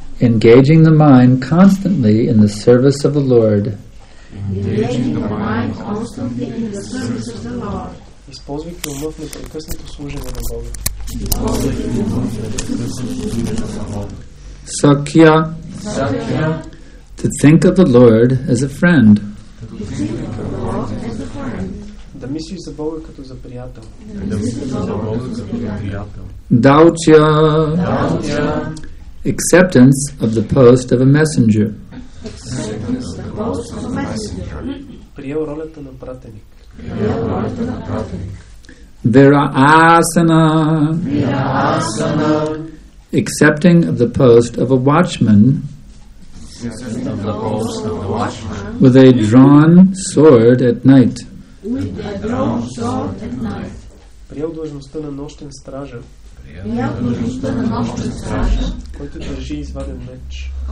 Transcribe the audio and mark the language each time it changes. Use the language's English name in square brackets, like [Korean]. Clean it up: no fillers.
[English] Engaging the mind constantly in the service of the Lord. Engaging the mind constantly in the service of the Lord. [Bulgarian] Използвайки умът в непрекъснато служене на Бога. [Sanskrit] Сакья. Сакья. [English] To think of the Lord as a friend. [Bulgarian] Да мислиш за Бога като за приятел. [Sanskrit] Даучя. Даучя. [English] Acceptance of the post of a messenger. [Bulgarian] Приел ролята на пратеник. [Sanskrit] Вираасана. Вираасана. [English] Accepting of the post of a watchman. Of the post of the watchman. With a drawn sword at night. With a drawn sword at night. [Bulgarian] Приел длъжността на нощен стража. Приел длъжността на нощен стража. Който държи изваден меч.